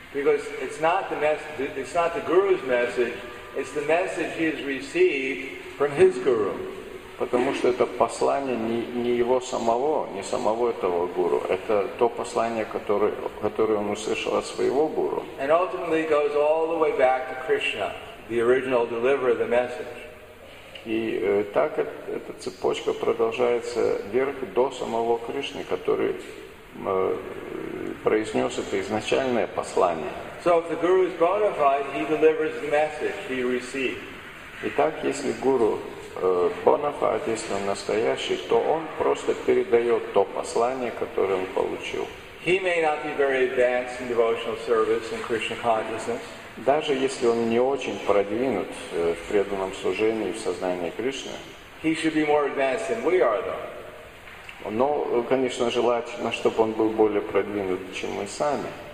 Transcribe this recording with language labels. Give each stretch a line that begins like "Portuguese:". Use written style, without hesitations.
English: Because it's not the message, it's not the guru's message, it's the message he has received from his guru.
Russian: Потому что это послание не его самого, не самого этого гуру. Это то послание, которое он услышал от своего гуру.
English: And ultimately goes all the way back to Krishna, the original deliverer of the message.
Russian: И так эта цепочка продолжается вверх до самого Кришны, который произнес это изначальное послание.
English: So if the guru is bona fide, he delivers the message he received.
Russian: Итак, если гуру бонафайд, если он настоящий, то он просто передает то послание, которое он получил.
English: He may not be very advanced in devotional service and Krishna consciousness.
Russian: Даже если он не очень продвинут в преданном служении и в сознании Кришны.
English: He should be more advanced than we are, though.
Russian: Но, конечно, желательно, чтобы он был более продвинут, чем мы сами.